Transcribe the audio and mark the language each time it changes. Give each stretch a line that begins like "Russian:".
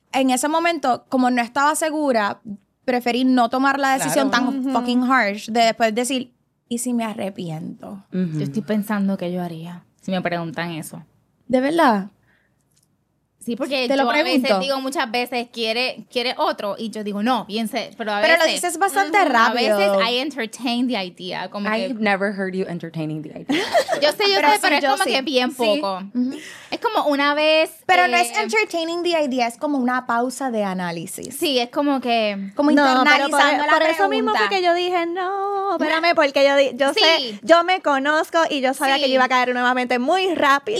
Spanish: En ese momento, como no estaba segura, preferí no tomar la decisión tan
English: fucking harsh
Spanish: de después decir, ¿y si me arrepiento? Yo estoy pensando qué yo haría si me preguntan eso. ¿De verdad? Sí, porque yo a veces digo muchas veces, ¿quiere otro? Y yo digo, no, piense. Pero a veces, lo dices bastante rápido. A veces
English: I entertain the idea. I've never heard you entertaining the idea.
Spanish: yo sé, pero es como que bien poco. ¿Sí? Es como una vez... Pero no es
English: entertaining the idea,
Spanish: es como una pausa de análisis. Sí, es como que... Como internalizando la pregunta. Por eso mismo fue que yo dije, no, espérame, porque yo sé, yo me conozco y yo sabía que yo iba a caer nuevamente muy rápido.